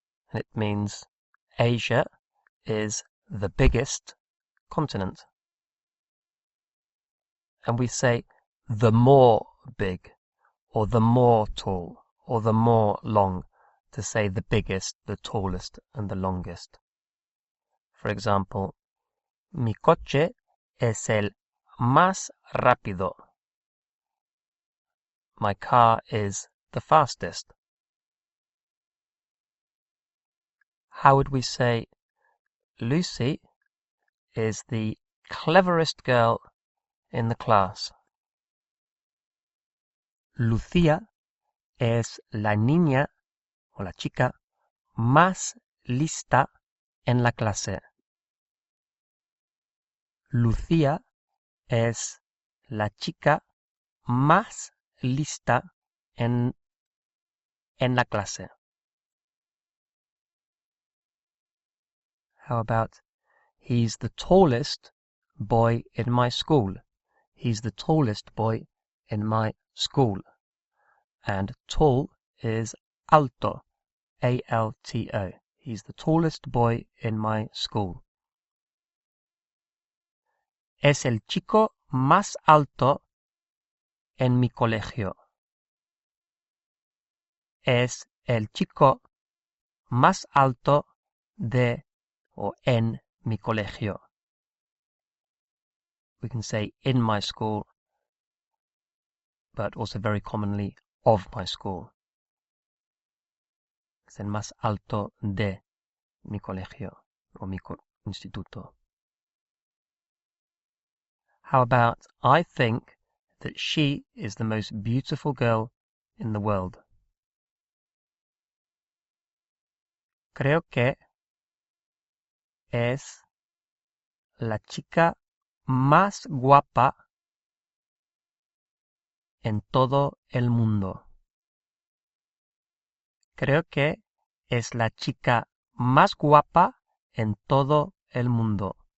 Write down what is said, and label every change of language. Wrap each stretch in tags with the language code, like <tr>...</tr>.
<en>And it means Asia is the biggest continent. And we say the more big, or the more tall, or the more long, to say the biggest, the tallest, and the longest. For example,</en> <es>mi coche es el más rápido.</es> <en>My car is the fastest. How would we say Lucy is the cleverest girl in the class?</en> <es>Lucía es la niña o la chica más lista en la clase. Lucía es la chica más lista en la clase.</es> <en>How about he's the tallest boy in my school? He's the tallest boy in my school. And tall is alto, A-L-T-O. He's the tallest boy in my school.</en> <es>Es el chico más alto en mi colegio. Es el chico más alto de o en mi colegio.</es> <en>We can say in my school, but also very commonly of my school.</en> <es>Es el más alto de mi colegio o mi instituto.</es> <en>How about I think that she is the most beautiful girl in the world?</en> <es>Creo que es la chica más guapa en todo el mundo. Creo que es la chica más guapa en todo el mundo.</es>